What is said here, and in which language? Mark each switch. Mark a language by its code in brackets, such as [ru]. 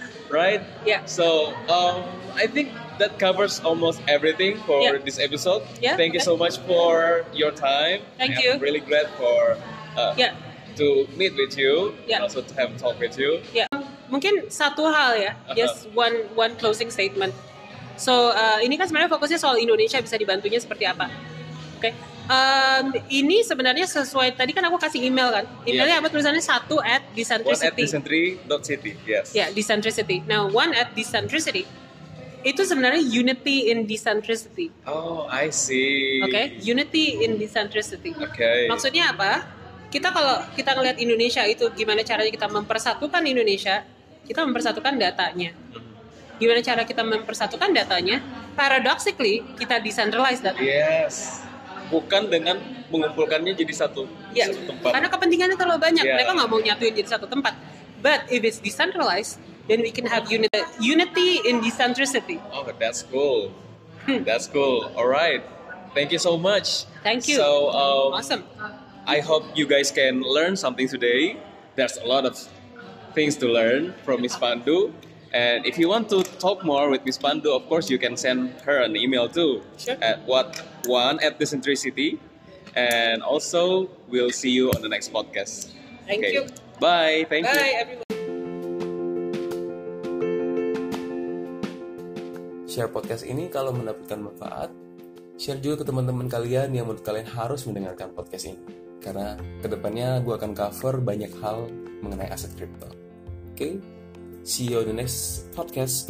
[en] Right? Yeah. So I think that covers almost everything for this episode. Yeah. Thank you so much for your time. Thank you. I'm really glad for to meet with you and also to have a talk with you. Yeah. [id] Mungkin satu hal ya, [en] just one closing statement. [id] So ini kan sebenarnya fokusnya soal Indonesia bisa dibantunya seperti apa. Okay. Ini sebenarnya sesuai, tadi kan aku kasih email kan. Emailnya apa tulisannya? 1@decentricity. [en] 1@decentricity, yes. Yeah, decentricity. Now, 1@decentricity. [id] Itu sebenarnya [en] unity in decentricity. Oh, I see. Okay, unity in decentricity. Okay. [id] Maksudnya apa? Kita kalau kita ngelihat Indonesia itu gimana caranya kita mempersatukan Indonesia, kita mempersatukan datanya. Gimana cara kita mempersatukan datanya? [en] Paradoxically, [id] kita decentralized data. [en] Yes. [id] Bukan dengan mengumpulkannya jadi satu, satu tempat. Karena kepentingannya terlalu banyak. Yeah. Mereka nggak mau nyatuin jadi satu tempat. [en] But if it's decentralized, then we can have unity in decentricity. Oh, that's cool. That's cool. All right. Thank you so much. Thank you. So awesome. I hope you guys can learn something today. There's a lot of things to learn from Miss Pandu. And if you want to talk more with Miss Pandu, of course you can send her an email too. Sure. @1@decentricity. And also, we'll see you on the next podcast. Thank you. Bye. Thank you. Bye, everyone. [id] Share podcast ini kalau mendapatkan manfaat. Share juga ke teman-teman kalian yang menurut kalian harus mendengarkan podcast ini. Karena kedepannya gue akan cover banyak hal mengenai aset kripto. [en] Okay, see you on the next podcast.